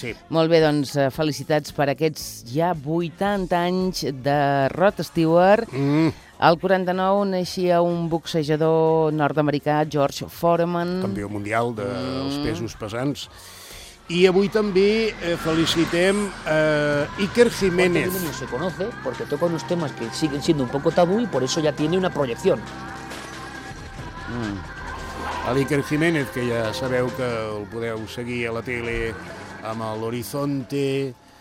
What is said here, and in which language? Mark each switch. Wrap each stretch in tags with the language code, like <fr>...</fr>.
<ca>Molt bé, doncs, felicitats per aquests ja 80 anys de Rod Stewart. El 49 naixia un boxejador nord-americà, George Foreman. Campió mundial dels pesos pesants. Y avui també felicitem Iker Jiménez.</ca> <es>No se conoce porque toca unos temas que siguen siendo un poco tabú y por eso ya tiene una proyección.</es> <ca>Iker Jiménez, que ja sabeu que el podeu seguir a la tele amb l'Horizonte...</ca>